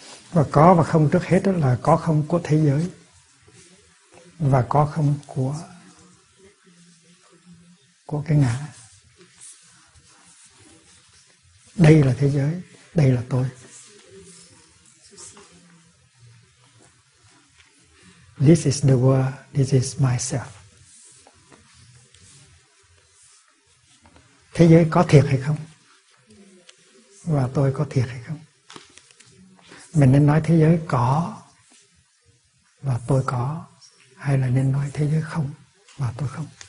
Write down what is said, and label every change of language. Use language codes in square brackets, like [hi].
[vi] Và có và không trước hết đó là có không của thế giới và có không của cái ngã. Đây là thế giới, đây là tôi. [en] This is the world, this is myself. [vi] Thế giới có thiệt hay không? Và tôi có thiệt hay không? Mình nên nói thế giới có và tôi có, hay là nên nói thế giới không và tôi không?